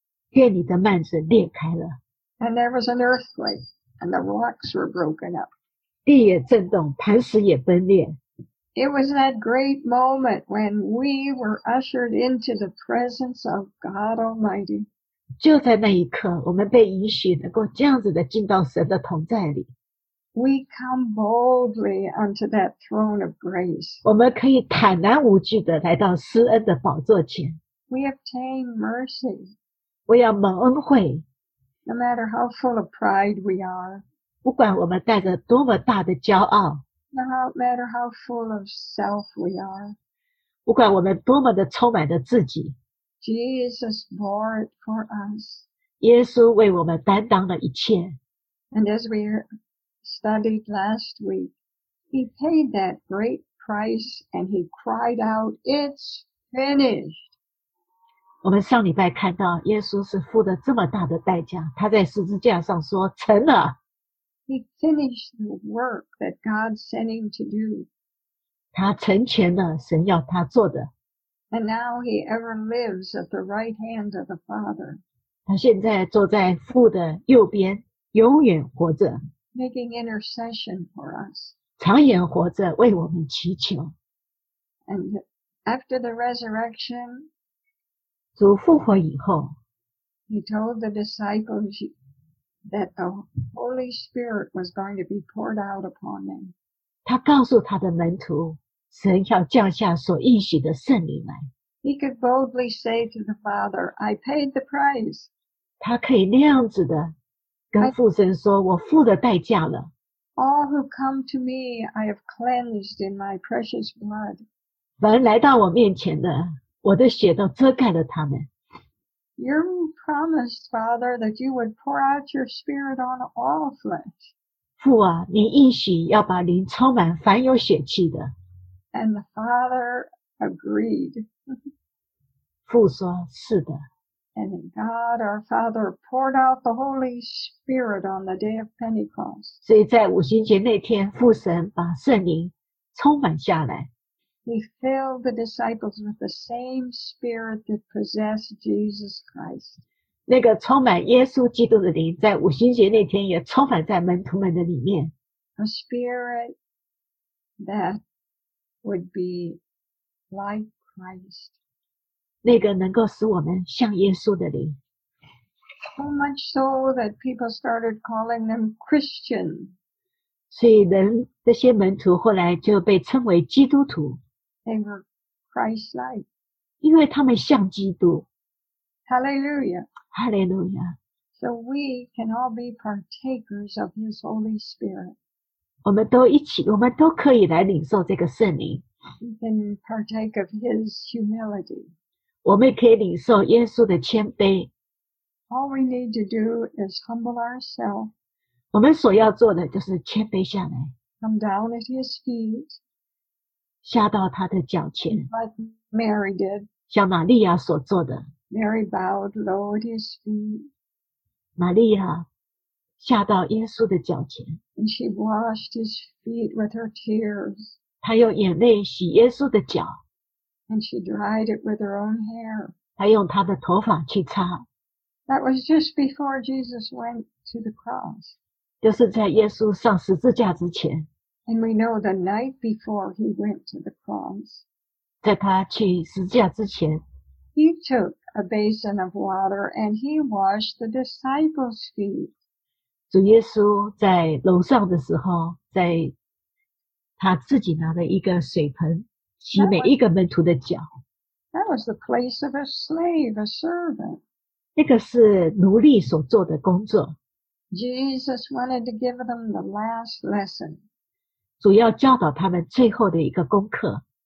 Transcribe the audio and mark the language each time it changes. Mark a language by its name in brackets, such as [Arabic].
[Chinese] 殿里的幔子裂开了。 [English] And there was an earthquake, and the rocks were broken up. [Chinese] 地也震动，磐石也崩裂。 [English] It was that great moment when we were ushered into the presence of God Almighty. [Chinese] 就在那一刻，我们被允许能够这样子的进到神的同在里。 [English] We come boldly unto that throne of grace. [Chinese] 我们可以坦然无惧的来到施恩的宝座前。 [English] We obtain mercy. [Chinese] 我要蒙恩惠。 [English] No matter how full of pride we are. [Chinese] 不管我们带着多么大的骄傲。 [English] No matter how full of self we are. [Chinese] 不管我们多么的充满着自己。 [English] Jesus bore it for us. [Chinese] 耶稣为我们担当了一切。 [English] And as we studied last week, he paid that great price and he cried out, "It's finished." [Chinese] 我们上礼拜看到耶稣是付了这么大的代价，他在十字架上说成了。 [English] He finished the work that God sent him to do. [Chinese] 他成全了神要他做的。 [English] And now he ever lives at the right hand of the Father. [Chinese] 他现在坐在父的右边，永远活着。 [English] Making intercession for us. [Chinese] 常远活着，为我们祈求。 [English] And after the resurrection, [Chinese] 主复活以后， [English] he told the disciples that the Holy Spirit was going to be poured out upon them. [Chinese] 他告诉他的门徒神要降下所应许的圣灵来。 [English] He could boldly say to the Father, "I paid the price." [Chinese] 他可以那样子的跟父神说，我付了代价了。 [English] All who come to me, I have cleansed in my precious blood. [Chinese] 凡来到我面前的，我的血都遮盖了他们。 [English] You promised, Father, that you would pour out your Spirit on all flesh. [Chinese] 父啊，你应许要把灵充满凡有血气的。 [English] And the Father agreed. [Chinese] 父说是的。 [English] And God our Father poured out the Holy Spirit on the day of Pentecost. [Chinese] 所以在五旬节那天，父神把圣灵充满下来。 [English] He filled the disciples with the same Spirit that possessed Jesus Christ. [Chinese] 那个充满耶稣基督的灵在五旬节那天也充满在门徒们的里面。 [English] A spirit that would be like Christ. [Chinese] 那个能够使我们像耶稣的灵。 [English] So much so that people started calling them Christian. [Chinese] 所以人这些门徒后来就被称为基督徒。 [English] They were Christ-like. [Chinese] 因为他们像基督。 [English] Hallelujah. Hallelujah. So we can all be partakers of His Holy Spirit. [Chinese] 我们都一起，我们都可以来领受这个圣灵。 [English] We can partake of His humility. [Chinese] 我们可以领受耶稣的谦卑。 [English] All we need to do is humble ourselves. [Chinese] 我们所要做的就是谦卑下来。 [English] Come down at His feet. [Chinese] 下到他的脚前。 [English] Like Mary did. [Chinese] 像玛利亚所做的。 [English] Mary bowed low at his feet. [Chinese] 玛利亚下到耶稣的脚前。 [English] And she washed his feet with her tears. [Chinese] 她用眼泪洗耶稣的脚。 [English] And she dried it with her own hair. [Chinese] 她用她的头发去擦。 [English] That was just before Jesus went to the cross. [Chinese] 就是在耶稣上十字架之前。 [English] And we know the night before he went to the cross. [Chinese] 在他去十字架之前。 [English] He took a basin of water and he washed the disciples' feet. [Chinese] 主耶稣在楼上的时候，在他自己拿了一个水盆，洗每一个门徒的脚。 [English] That was the place of a slave, a servant. [Chinese] 那个是奴隶所做的工作。 [English] Jesus wanted to give them the last lesson. [Chinese] 主要教导他们最后的一个功课。